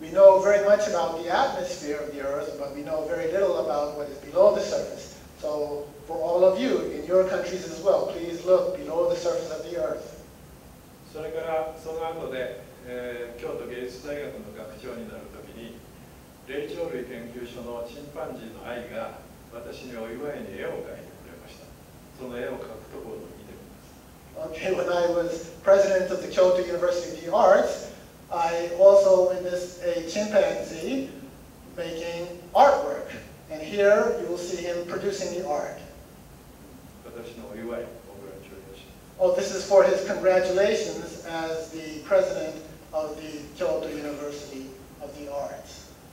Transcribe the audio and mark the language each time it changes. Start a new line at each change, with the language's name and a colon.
English: We know very much about the atmosphere of the Earth, but we know very little about what is below the surface. So, for all of you, in your countries as well, please look below the surface of the Earth.
Japanese: それから、その後で、京都芸術大学の学長になるときに、 霊長類研究所のチンパンジーの愛が私にお祝いに絵を描いてくれました。その絵を描くところを見てみます。
English: Okay, when I was president of the Kyoto University of the Arts, I also witnessed a chimpanzee making artwork. And here you will see him producing the art.
Japanese: 私のお祝い、
English: congratulations. Oh, this is for his congratulations as the president of the Kyoto University of the Arts.